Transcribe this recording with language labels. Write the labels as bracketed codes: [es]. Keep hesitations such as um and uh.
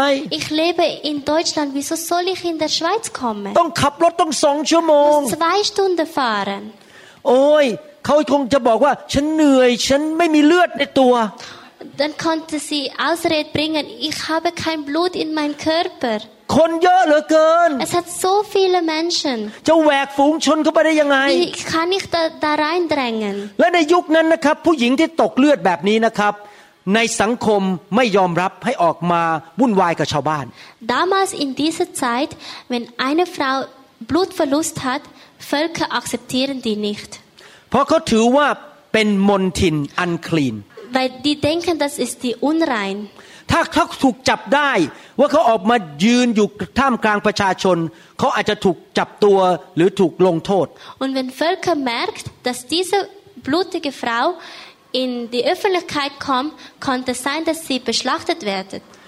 [de] Ich lebe in Deutschland wieso soll ich in der Schweiz kommen Muss Zwei Stunden fahren oh. [th] ขาคงจะบอกว่าฉันเหนื่อยฉันไม่มีเลือดในตัว [de] dann konnte sie ausred bringen ich habe kein blut in mein körper [th] คนเยอะเหลือเกิน [de] es hat so viele menschen [th] จะแหวกฝูงชนเข้าไปได้ยังไง ich [de] kann nicht da rein drängen [th] และในยุคนั้นนะครับผู้หญิงที่ตกเลือดแบบนี้นะครับในสังคมไม่ยอมรับให้ออกมาวุ่นวายกับชาวบ้าน [de] damals in dieser zeit wenn eine frau blutverlust hat völker akzeptieren die nicht [th] พราะเขาถือว่าเป็นมนทิน [en] unclean [de] weil die denken das ist die unrein [th] ถ้าเขาถูกจับได้ ว่าเขาออกมายืนอยู่ท่ามกลางประชาชนเขาอาจจะถูกจับตัวหรือถูกลงโทษ [de] und wenn Völker merkt dass diese blutige Frau in die Öffentlichkeit kommt konnte sein dass sie beschlachtet werden